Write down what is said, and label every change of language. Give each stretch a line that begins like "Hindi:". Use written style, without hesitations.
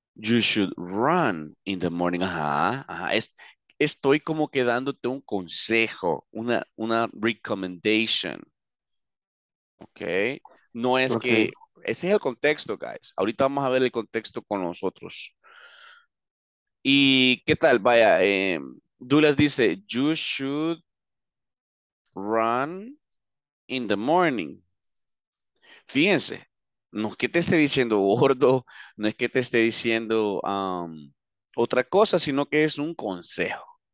English: You should run in the morning. Ajá.
Spanish: Estoy como que dándote un consejo, una recommendation. Okay. No es okay. Que ese es el contexto, guys. Ahorita vamos a ver el contexto con nosotros. ¿Y qué tal? Vaya, Douglas dice,
English: you should run in the morning.
Spanish: Fíjense, no es que te esté diciendo gordo, no es que te esté diciendo otra cosa, sino que es un consejo.